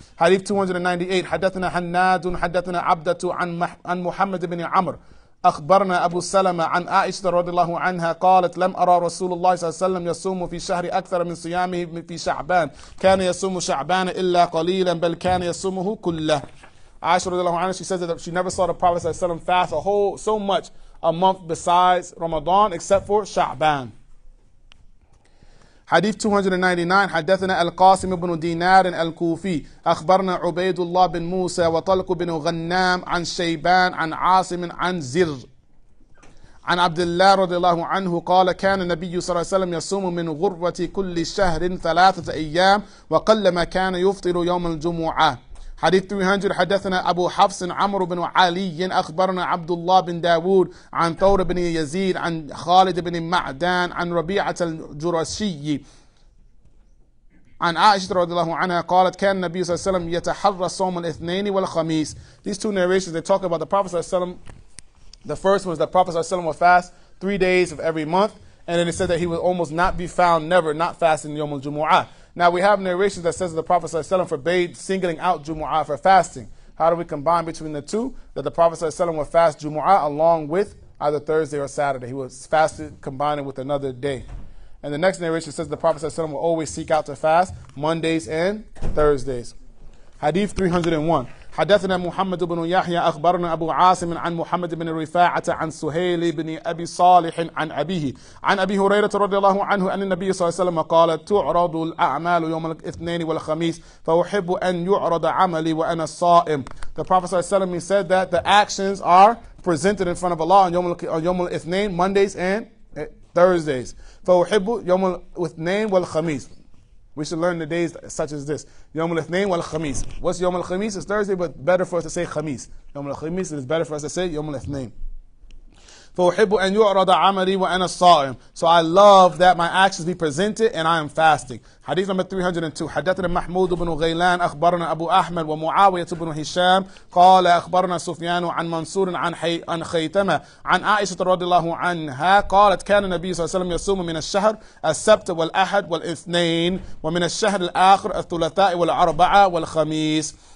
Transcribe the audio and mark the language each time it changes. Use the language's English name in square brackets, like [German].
[Arabic] حديث 298. حدثنا حناد حدثنا عبدة عن محمد بن عمرو أخبرنا أبو سلمة عن عائشة رضي الله عنها قالت لم أرى رسول الله صلى الله عليه وسلم يصوم في شهر أكثر من صيامه في شعبان كان يصوم شعبان إلا قليلا بل كان يصومه كله. [English] عائشة رضي الله عنها, she says that she never saw the Prophet صلى الله عليه وسلم fast a whole so much a month besides Ramadan except for شعبان. [Arabic] حديث 299. حدثنا القاسم بن دينار الكوفي أخبرنا عبيد الله بن موسى وطلق بن غنام عن شيبان عن عاصم عن زر عن عبد الله رضي الله عنه قال كان النبي صلى الله عليه وسلم يصوم من غربة كل شهر 3 أيام وقل ما كان يفطر يوم الجمعة. Hadith 300, حدثنا أبو حفص عمر بن علي أخبرنا عبد الله بن داود عن ثور بن يزيد عن خالد بن معدان عن ربيعة الجرشي عن عائشة رضي الله عنها قالت كان النبي صلى الله عليه وسلم يتحرى صوم الاثنين والخميس. [English] These two narrations, they talk about the Prophet صلى الله عليه وسلم. The first was the Prophet صلى الله عليه وسلم would fast 3 days of every month, and then it said that he would almost not be found, never not fasting Yom al-Jumu'ah. Now we have narrations that says that the Prophet صلى الله عليه وسلم forbade singling out Jumu'ah for fasting. How do we combine between the two? That the Prophet صلى الله عليه وسلم would fast Jumu'ah along with either Thursday or Saturday. He would fast it, combine it with another day. And the next narration says the Prophet ﷺ will always seek out to fast Mondays and Thursdays. Hadith 301. [Arabic] حدثنا محمد بن يحيى أخبرنا أبو عاصم عن محمد بن رفاعة عن سهيل بن أبي صالح عن أبيه عن أبي هريرة رضي الله عنه أن النبي صلى الله عليه وسلم قال تعرض الأعمال يوم الاثنين والخميس فأحب أن يعرض عملي وأنا صائم. [English] The Prophet صلى الله عليه وسلم, he said that the actions are presented in front of Allah on يوم الاثنين, Mondays and Thursdays. [Arabic] فأحب يوم الاثنين والخميس. [English] We should learn the days such as this. [Arabic] يوم الاثنين والخميس. [English] What's يوم الخميس? It's Thursday, but better for us to say خميس. يوم الخميس, it's better for us to say يوم الاثنين. [Arabic] فأحب أن يعرض عملي وأنا صائم. [English] So I love that my actions be presented and I am fasting. Hadith number 302. [Arabic] حدثنا محمود بن غيلان أخبرنا أبو أحمد ومعاوية بن هشام قال أخبرنا سفيان عن منصور عن خيتمة عن عائشة رضي الله عنها قالت كان النبي صلى الله عليه وسلم يصوم من الشهر السبت والأحد والاثنين ومن الشهر الآخر الثلاثاء والأربعاء والخميس.